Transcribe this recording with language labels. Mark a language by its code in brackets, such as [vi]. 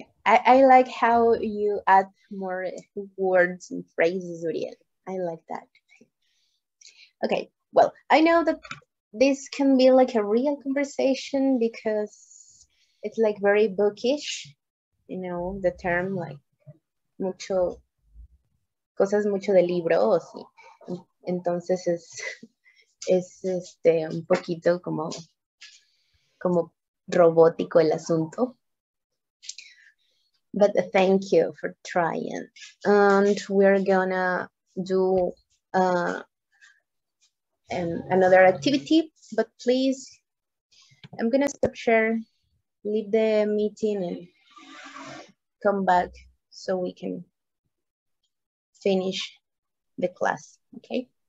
[en] I like how you add more words and phrases, Uriel. I like that. Okay, well, I know that this can be like a real conversation because it's like very bookish, you know, the term like [es] mucho cosas mucho de libros y entonces es este un poquito como robótico el asunto. [en] But thank you for trying. And we're gonna do another activity, but please, I'm gonna stop share, leave the meeting and come back so we can finish the class, okay?